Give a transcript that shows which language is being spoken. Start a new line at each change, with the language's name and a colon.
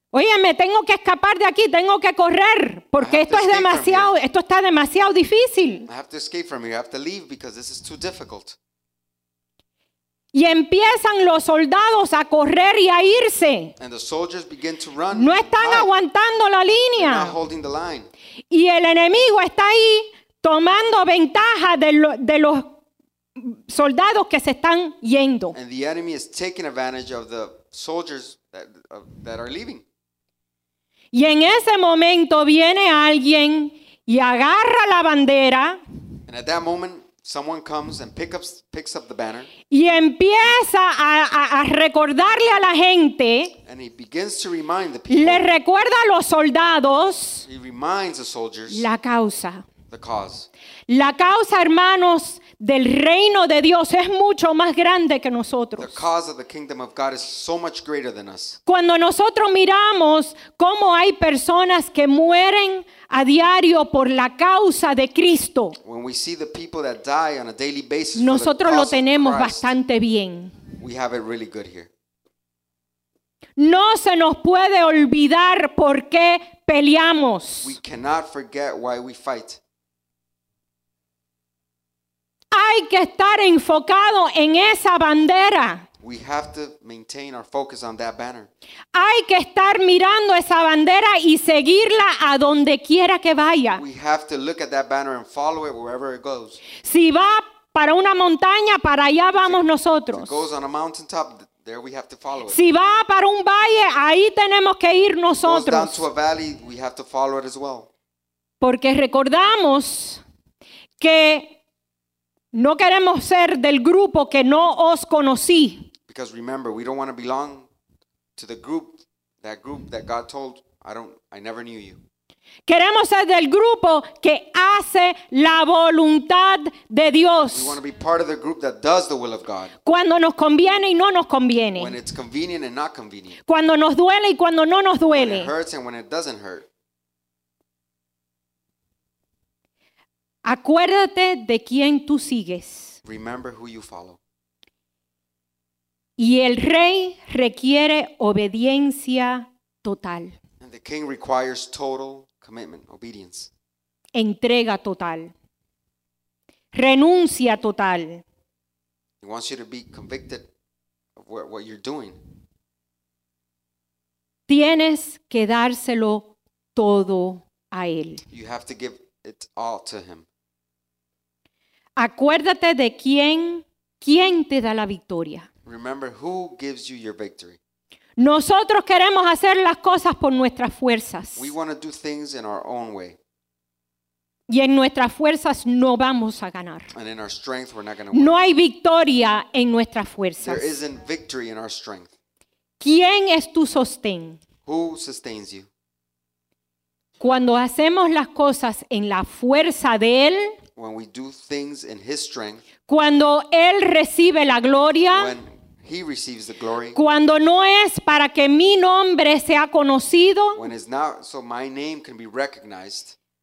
Spanish: Óyeme, tengo que escapar de aquí, tengo que correr, porque esto es demasiado, esto está demasiado difícil.
English: I have to escape from here. I have to leave because this is too difficult.
Spanish: Y empiezan los soldados a correr y a irse.
English: And the soldiers begin to run.
Spanish: No están aguantando la línea.
English: They're not holding the line.
Spanish: Y el enemigo está ahí tomando ventaja de los soldados que se están yendo.
English: And the enemy is taking advantage of the soldiers that are leaving.
Spanish: Y en ese momento viene alguien y agarra la bandera.
English: And at that moment, someone comes and picks up the banner.
Spanish: Y empieza a recordarle a la gente.
English: And he begins to remind the people.
Spanish: Le recuerda a los soldados.
English: He reminds the soldiers.
Spanish: La causa.
English: The cause.
Spanish: La causa, hermanos, del reino de Dios es mucho más grande que nosotros.
English: The cause of the kingdom of God is so much greater than us.
Spanish: Cuando nosotros miramos cómo hay personas que mueren a diario por la causa de Cristo,
English: when we see the people that die on a daily basis,
Spanish: nosotros lo tenemos
English: Christ,
Spanish: bastante bien.
English: We have it really good here.
Spanish: No se nos puede olvidar por qué peleamos.
English: We cannot forget why we fight.
Spanish: Hay que estar enfocado en esa bandera.
English: We have to maintain our focus on that banner.
Spanish: Hay que estar mirando esa bandera y seguirla a donde quiera que vaya.
English: We have to look at that banner and follow it wherever it goes.
Spanish: Si va para una montaña, para allá vamos nosotros.
English: If it goes on a mountaintop, there we have to follow it.
Spanish: Si va para un valle, ahí tenemos que ir nosotros.
English: If it goes down to a valley, we have to follow it as well.
Spanish: Porque recordamos que no queremos ser del grupo que no os conocí.
English: Because remember, we don't want to belong to the group that God told, I never knew you.
Spanish: Queremos ser del grupo que hace la voluntad de Dios.
English: We want to be part of the group that does the will of God.
Spanish: Cuando nos conviene y no nos conviene.
English: When it's convenient and not convenient.
Spanish: Cuando nos duele y cuando no nos duele.
English: When it hurts and when it doesn't hurt.
Spanish: Acuérdate de quién tú sigues.
English: Remember who you follow.
Spanish: Y el rey requiere obediencia total.
English: And the king requires total commitment, obedience.
Spanish: Entrega total. Renuncia total.
English: He wants you to be convicted of what you're doing.
Spanish: Tienes que dárselo todo a él.
English: You have to give it all to him.
Spanish: Acuérdate de quién te da la victoria.
English: Remember who gives you your victory.
Spanish: Nosotros queremos hacer las cosas por nuestras fuerzas.
English: We want to do things in our own way.
Spanish: Y en nuestras fuerzas no vamos a ganar.
English: And in our strength, we're not going to win.
Spanish: No hay victoria en nuestras fuerzas.
English: There isn't victory in our strength.
Spanish: ¿Quién es tu sostén?
English: Who sustains you?
Spanish: Cuando hacemos las cosas en la fuerza de Él,
English: when we do things in His strength,
Spanish: cuando Él recibe la gloria,
English: when He receives the glory,
Spanish: cuando no es para que mi nombre sea conocido,
English: when it's not so my name can be recognized,